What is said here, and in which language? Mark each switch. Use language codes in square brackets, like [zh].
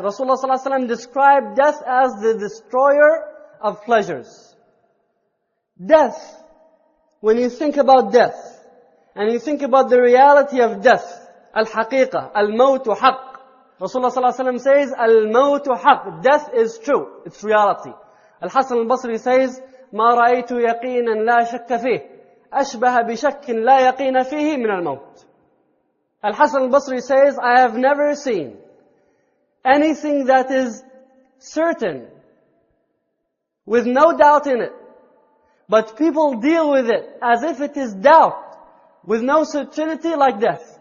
[en] Rasulullah sallallahu alaihi wasallam described death as the destroyer of pleasures. Death, when you think about death, and you think about the reality of death, الحقيقة, [ar] الموت حق. [en] Rasulullah sallallahu alaihi wasallam says, [ar] الموت حق. [en] Death is true. It's reality. [ar] Al-Hasan al-Basri says, ما رأيت يقينا لا شك فيه أشبه بشك لا يقين فيه من الموت. [en] Al-Hasan al-Basri says, I have never seen anything that is certain with no doubt in it, but people deal with it as if it is doubt with no certainty like death.